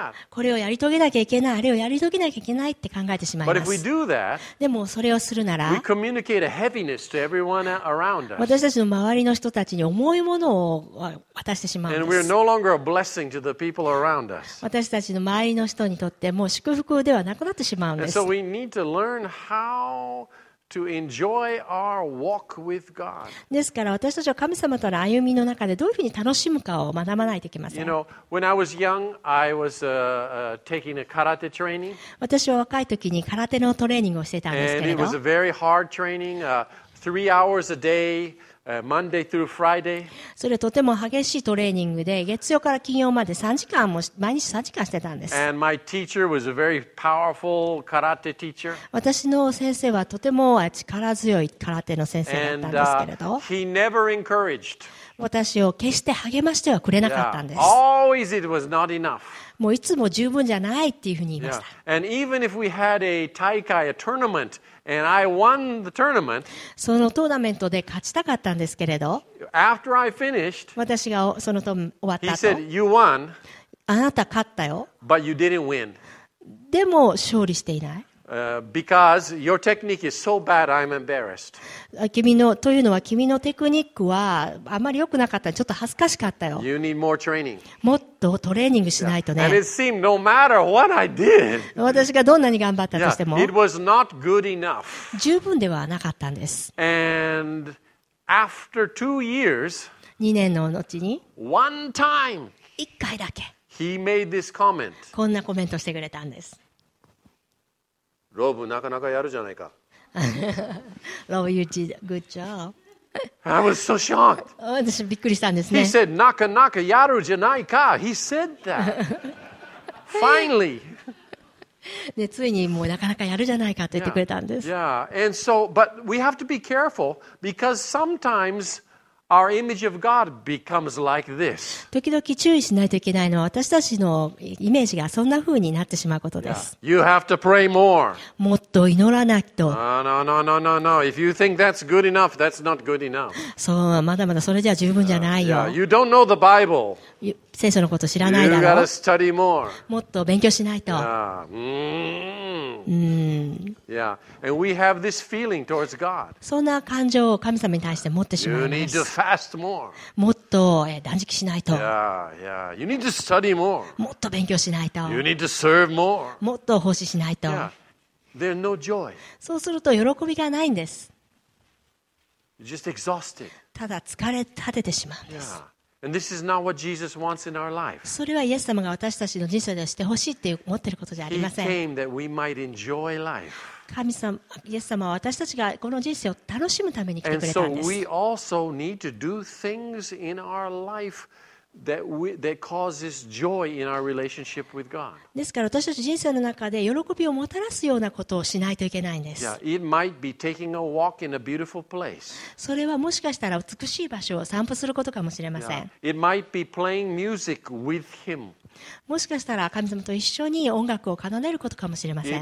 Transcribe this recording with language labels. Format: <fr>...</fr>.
<ja>これをやり遂げなきゃいけない、あれをやり遂げなきゃいけないって考えてしまいます。</ja> <en>But if we do that,</en> <ja>でもそれをするなら、</ja> <en>we communicate a heaviness to everyone around us.</en> <ja>私たちの周りの人たちに重いものを渡してしまうんです。</ja> <en>And we're no longer a blessing to the people around us.</en> <ja>私たちの周りの人にとってもう祝福ではなくなってしまうんです。</ja> <en>And so we need to learn howTo enjoy our walk with God.</en> <ja>ですから私たちは神様との歩みの中でどういうふうに楽しむかを学ばないといけません。</ja> <en>You know, when I was young, I was taking a karate training.</en> <ja>私は若い時に空手のトレーニングをしていたんですけれど。</ja> <en>And it was a very hard training, 3 hours a day, Monday through Friday.</en> <ja>それとても激しいトレーニングで月曜から金曜まで3時間も毎日3時間してたんです。</ja> <en>And my teacher was a very powerful karate teacher.</en> <ja>私の先生はとても力強い空手の先生だったんですけれど</ja> <en>And, he never encouraged.</en> <ja>私を決して励ましてはくれなかったんです。</ja> <en>Yeah. Always it was not enough.</en> <ja>もういつも十分じゃないっていうふうに言いました。</ja> <en>Yeah. And even if we had a taikai, a tournament,And I won the tournament.</en> <ja>そのトーナメントで勝ちたかったんですけれど、</ja> <en>After I finished,</en> <ja>私がそのと終わった後、</ja> <en>He said, "You won."</en> <ja>あなた勝ったよ。</ja> <en>But you didn't win.</en> <ja>でも勝利していない。</ja> <en>Because your technique is so bad, I'm embarrassed.</en> <ja>君のというのは君のテクニックはあまり良くなかった。ちょっと恥ずかしかったよ。</ja> <en>You need more training.</en> <ja>もっとトレーニングしないとね。</ja> <en>Yeah. And it seemed no matter what I did.</en> <ja>私がどんなに頑張ったとしても、</ja> <en>yeah. It was not good enough.</en> <ja>十分ではなかったんです。</ja> <en>And after 2 years,</en> <ja>2年の後に、</ja> <en>one time,</en> <ja>一回だけ、</ja> <en>he made this comment.</en> <ja>こんなコメントしてくれたんです。ローブなかなかやるじゃないか。</ja> <en>Love you did a good job. I was so shocked.</en> <ja>私びっくりしたんですね。</ja> <en>He said</en> <ja>なかなかやるじゃないか。</ja> <en>He said that. Finally.</en> <ja>でついにもうなかなかやるじゃないかと言ってくれたんです。</ja> <en>Yeah. Yeah. And so, but we have to be careful because sometimes our image of God becomes like this.</en> <ja>時々注意しないといけないのは私たちのイメージがそんな風になってしまうことです。</ja> <en>Yeah. You have to pray more.</en> <ja>もっと祈らないと。</ja> <en>No, no, no, no, no. If you think that's good enough, that's not good enough.</en> <ja>そう、まだまだそれじゃ十分じゃないよ。</ja> <en>Yeah. You don't know the Bible.</en> <ja>聖書のこと知らないだろ。</ja> <en>You gotta study more.</en> <ja>もっと勉強しないと。</ja> <en>Yeah. Mm-hmm. Yeah. And we have this feeling towards God.</en> <ja>そんな感情を神様に対して持ってしまいます。</ja> <en>You need to fast more.</en> <ja>もっと断食しないと。</ja> <en>Yeah, yeah. You need to study more.</en> <ja>もっと勉強しないと。</ja> <en>You need to serve more.</en> <ja>もっと奉仕しないと。</ja> <en>Yeah. There's no joy.</en> <ja>そうすると喜びがないんです。</ja> <en>You're just exhausted.</en> <ja>ただ疲れ果ててしまうんです。</ja> <en>Yeah. And this is not what Jesus wants in our life.</en> <ja>それはイエス様が私たちの人生でしてほしいって思ってることじゃありません。</ja> <en>He came that we might enjoy life.</en> <ja>神様、イエス様は私たちがこの人生を楽しむために来てくれたんです。</ja> <en>And so we also need to do things in our life that causes joy in our relationship with God.</en> <ja>ですから私たち人生の中で喜びをもたらすようなことをしないといけないんです。</ja> <en>Yeah, it might be taking a walk in a beautiful place.</en> <ja>それはもしかしたら美しい場所を散歩することかもしれません。</ja> <en>Yeah, it might be playing music with him.</en> <ja>もしかしたら神様と一緒に音楽を奏でることかもしれません。</ja>